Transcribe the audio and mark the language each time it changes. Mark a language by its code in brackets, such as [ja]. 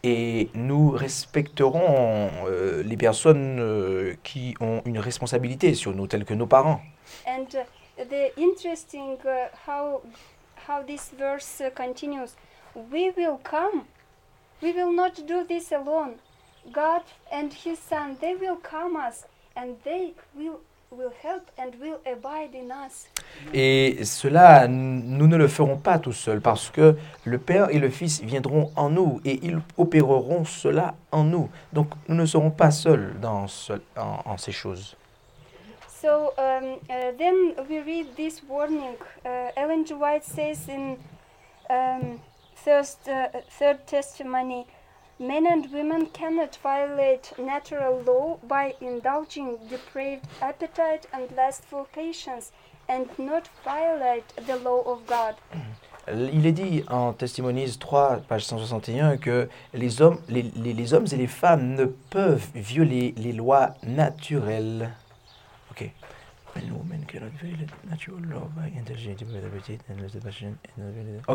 [fr] Et nous respecterons les personnes qui ont une responsabilité sur nous, telles que nos parents. [en] And the interesting how this verse continues. We will come. We will not do this alone. God and His Son, they will come us, and they will help and will abide in us. [fr] Et cela, nous ne le ferons pas tout seul, parce que le Père et le Fils viendront en nous et ils opéreront cela en nous. Donc, nous ne serons pas seuls en ces choses. [en] So then we read this warning. Ellen G. White says in third testimony, men and women cannot violate natural law by indulging depraved appetite and lustful passions and not violate the law of God. [fr] Il est dit en Testimonies 3, page 161, que les hommes et les femmes ne peuvent violer les lois naturelles. Ok. [en] Men and women cannot violate natural law by indulging depraved appetite and lustful passions and not violate the law.